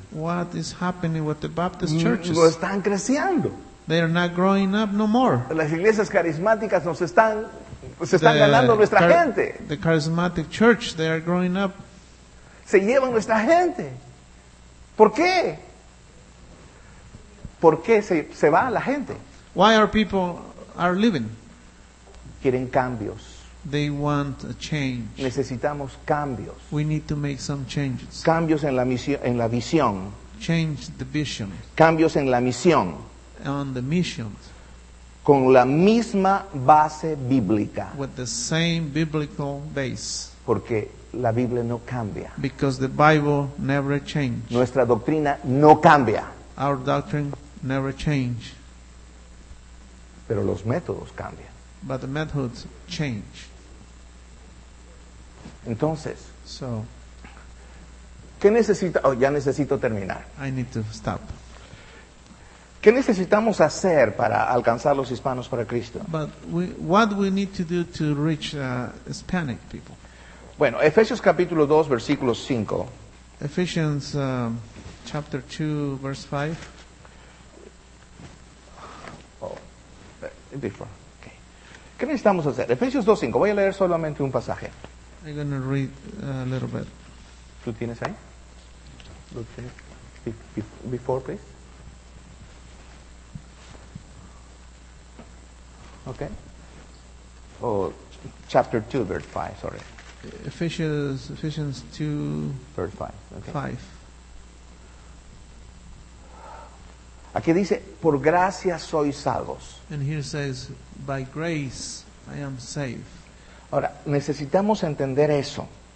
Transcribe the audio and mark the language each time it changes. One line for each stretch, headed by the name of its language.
English: What is happening with the Baptist churches?
Spanish: No están creciendo.
English: They are not growing up no more.
Spanish: Las iglesias carismáticas nos están ganando nuestra gente.
English: The charismatic church, they are growing up.
Spanish: Se llevan nuestra gente. ¿Por qué? ¿Por qué se va la gente?
English: Why are people are leaving?
Spanish: Quieren cambios.
English: They want a change.
Spanish: Necesitamos cambios.
English: We need to make some changes.
Spanish: Cambios en la misión, en la visión.
English: Change the vision.
Spanish: Cambios en la misión.
English: On the missions.
Spanish: Con la misma base bíblica.
English: With the same biblical base.
Spanish: Porque la Biblia no cambia.
English: Because the Bible never changes.
Spanish: Nuestra doctrina no cambia.
English: Our doctrine never changes.
Spanish: Pero los métodos cambian.
English: But the methods change.
Spanish: Entonces,
English: so,
Spanish: ¿qué necesita? Oh, ya necesito terminar.
English: I need to stop.
Spanish: ¿Qué necesitamos hacer para alcanzar los hispanos para Cristo?
English: But what we need to do to reach Hispanic people?
Spanish: Bueno, Efesios capítulo 2, versículo 5.
English: Ephesians chapter 2, verse 5. Oh, before.
Spanish: ¿Qué necesitamos hacer? Efesios 2:5. Voy a leer solamente un pasaje.
English: I'm going to read a little bit.
Spanish: ¿Tú tienes ahí? ¿Lo tienes?
English: Before, please. Okay. Oh, chapter 2, verse 5, sorry. Ephesians 2, verse 5. Okay. 5.
Spanish: Aquí dice, por gracia sois salvos.
English: And here says, by grace I am safe.
Spanish: Ahora, necesitamos entender eso.